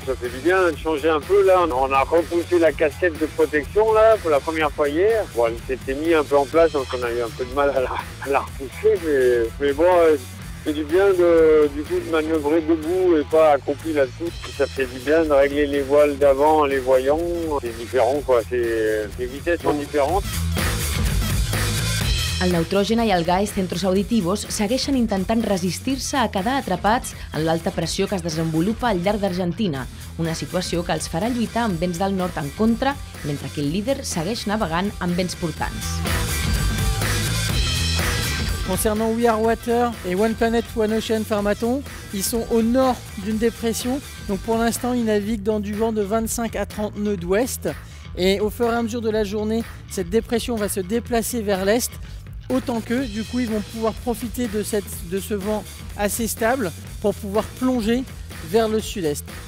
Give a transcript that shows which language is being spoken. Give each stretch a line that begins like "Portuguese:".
French: Ça fait du bien de changer un peu, là. On a repoussé la casquette de protection, là, pour la première fois hier. Bon, elle s'était mise un peu en place, donc on a eu un peu de mal à la repousser, mais bon... C'est du bien de manœuvrer debout et pas accroupi là-dessous. Ça fait du bien de régler les voiles d'avant en les voyant. C'est différent, quoi. Les vitesses sont différentes.
Catalan: El Neutrogena i el GAES Centros Auditivos segueixen intentant resistir-se a quedar atrapats en l'alta pressió que es desenvolupa al llarg d'Argentina, una situació que els farà lluitar amb vents del nord en contra, mentre que el líder segueix navegant amb vents portants.
French: Concernant We Are Water et One Planet One Ocean Pharmaton, ils sont au nord d'une dépression, donc pour l'instant ils naviguent dans du vent de 25 à 30 nœuds d'ouest, et au fur et à mesure de la journée, cette dépression va se déplacer vers l'est, autant qu'eux, du coup ils vont pouvoir profiter de ce vent assez stable pour pouvoir plonger vers le sud-est.